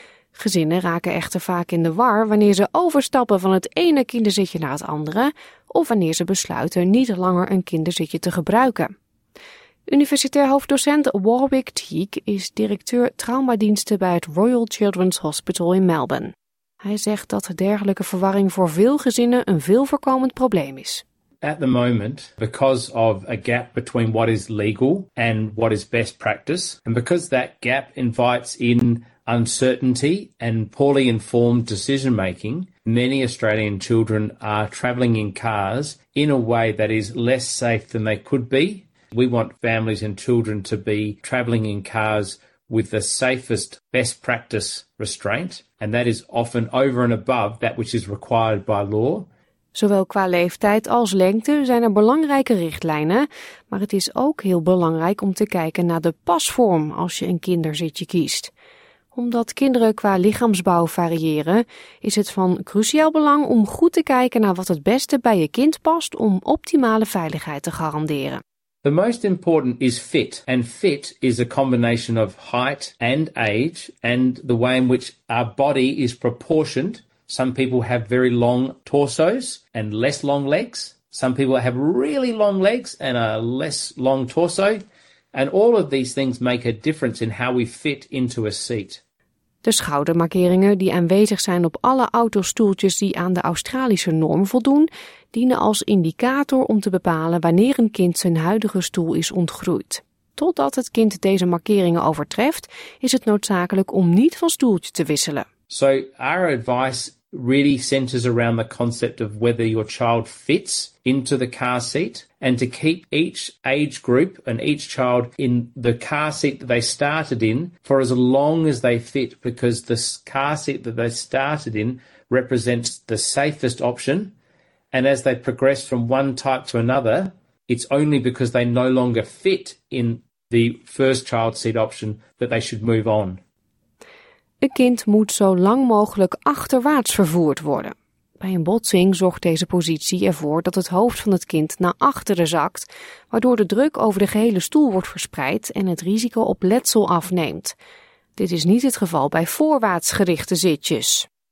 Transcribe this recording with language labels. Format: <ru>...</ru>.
<nl>Gezinnen raken echter vaak in de war wanneer ze overstappen van het ene kinderzitje naar het andere of wanneer ze besluiten niet langer een kinderzitje te gebruiken. Universitair hoofddocent Warwick Teague is directeur traumadiensten bij het Royal Children's Hospital in Melbourne. Hij zegt dat dergelijke verwarring voor veel gezinnen een veelvoorkomend probleem is.</nl> <en>At the moment, because of a gap between what is legal and what is best practice, and because that gap invites in uncertainty and poorly informed decision making, many Australian children are travelling in cars in a way that is less safe than they could be. We want families and children to be travelling in cars with the safest best practice restraint, and that is often over and above that which is required by law.</en> <nl>Zowel qua leeftijd als lengte zijn er belangrijke richtlijnen, maar het is ook heel belangrijk om te kijken naar de pasvorm als je een kinderzitje kiest. Omdat kinderen qua lichaamsbouw variëren, is het van cruciaal belang om goed te kijken naar wat het beste bij je kind past om optimale veiligheid te garanderen.</nl> <en>The most important is fit, and fit is a combination of height and age and the way in which our body is proportioned. Some people have very long torsos and less long legs. Some people have really long legs and a less long torso. And all of these things make a difference in how we fit into a seat.</en> <nl>De schoudermarkeringen die aanwezig zijn op alle autostoeltjes die aan de Australische norm voldoen, dienen als indicator om te bepalen wanneer een kind zijn huidige stoel is ontgroeid. Totdat het kind deze markeringen overtreft, is het noodzakelijk om niet van stoeltje te wisselen.</nl> <en>So our advice really centers around the concept of whether your child fits into the car seat and to keep each age group and each child in the car seat that they started in for as long as they fit, because the car seat that they started in represents the safest option. And as they progress from one type to another, it's only because they no longer fit in the first child seat option that they should move on.</en> <nl>Een kind moet zo lang mogelijk achterwaarts vervoerd worden. Bij een botsing zorgt deze positie ervoor dat het hoofd van het kind naar achteren zakt, waardoor de druk over de gehele stoel wordt verspreid en het risico op letsel afneemt. Dit is niet het geval bij voorwaarts gerichte zitjes.</nl>